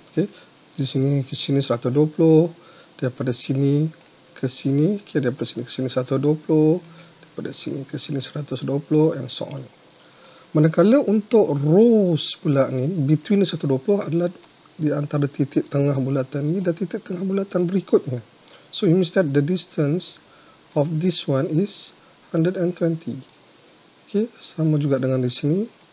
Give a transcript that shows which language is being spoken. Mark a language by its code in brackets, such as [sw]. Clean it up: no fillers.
[ms] Okay, di sini ke sini 120, daripada sini ke sini, okay, daripada sini ke sini 120, daripada sini ke sini 120 [en] and so on. [ms] Manakala untuk rows pula ni, between 120 adalah di antara titik tengah bulatan ni dan titik tengah bulatan berikutnya. [en] So, you mean that the distance of this one is 120. [ms] Okay, sama juga dengan di sini.